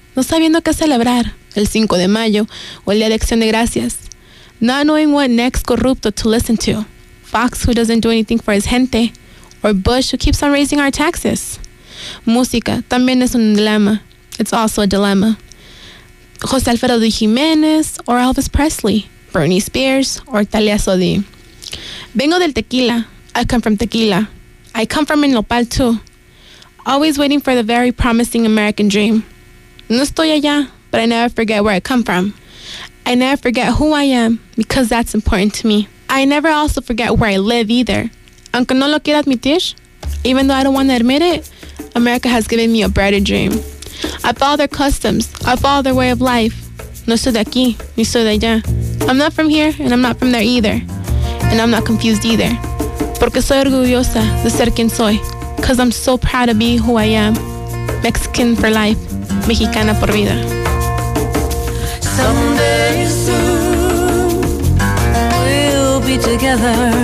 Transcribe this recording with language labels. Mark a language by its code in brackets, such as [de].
[es] No sabiendo qué celebrar, el Cinco de Mayo o el Día de Acción de Gracias. [en] Not knowing what next corrupto to listen to. Fox who doesn't do anything for his gente, or Bush who keeps on raising our taxes. [es] Música también es un dilema. [en] It's also a dilemma. José Alfredo de Jiménez or Elvis Presley, Bernie Spears or Talia Sodi. [es] Vengo del tequila. [en] I come from tequila. I come from [es] el nopal [en] too. Always waiting for the very promising American dream. [es] No estoy allá, [en] but I never forget where I come from. I never forget who I am because that's important to me. I never also forget where I live either. [es] Aunque no lo quiera admitir, [en] even though I don't want to admit it, America has given me a brighter dream. I follow their customs, I follow their way of life. [es] No soy de aquí, ni soy de allá. [en] I'm not from here, and I'm not from there either. And I'm not confused either. [es] Porque soy orgullosa de ser quien soy. [en] Because I'm so proud to be who I am. Mexican for life, [es] Mexicana por vida. [en] Someday soon, we'll be together.